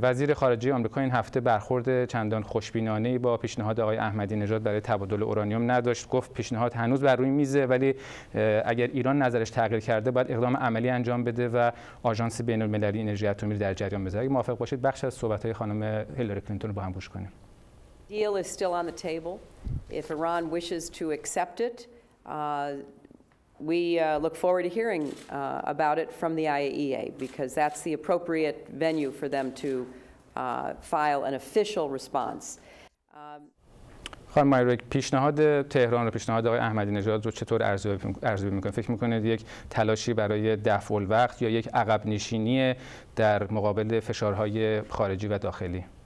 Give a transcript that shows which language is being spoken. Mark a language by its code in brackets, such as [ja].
[fa] وزیر خارجه آمریکا این هفته برخورد چندان خوشبینانه با پیشنهاد آقای احمدی نژاد برای تبادل اورانیوم نداشت. گفت پیشنهاد هنوز بر روی میزه، ولی اگر ایران نظرش تغییر کرده باید اقدام عملی انجام بده و آژانس بین المللی انرژی اتمی رو در جریان بذاره. اگه موافق باشید بخش از صحبت های خانم هیلاری کلینتون رو با هم گوش کنیم. [en] Deal is still on the table. If Iran wishes to accept it, we look forward to hearing about it from the IAEA because that's the appropriate venue for them to file an official response. [fa] خانم مایریک، پیشنهاد تهران و پیشنهاد آقای احمدی نژاد رو چطور ارزیابی میکنید؟ فکر میکنید یک تلاشی برای دفع الوقت یا یک عقب نشینی در مقابل فشارهای خارجی و داخلی؟